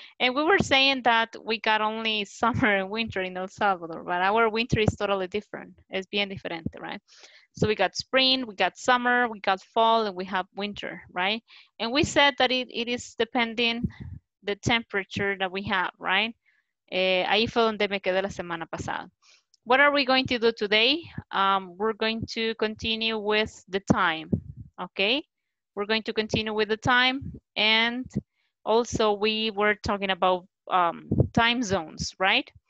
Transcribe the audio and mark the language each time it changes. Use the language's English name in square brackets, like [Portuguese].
[English] And we were saying that we got only summer and winter in El Salvador, but our winter is totally different. [Spanish] Es bien diferente, [English] right? So we got spring, we got summer, we got fall, and we have winter, right? And we said that it is depending the temperature that we have, right? [Spanish] Ahí fue donde me quedé la semana pasada. [English] What are we going to do today? We're going to continue with the time, okay? We're going to continue with the time. And also we were talking about time zones, right?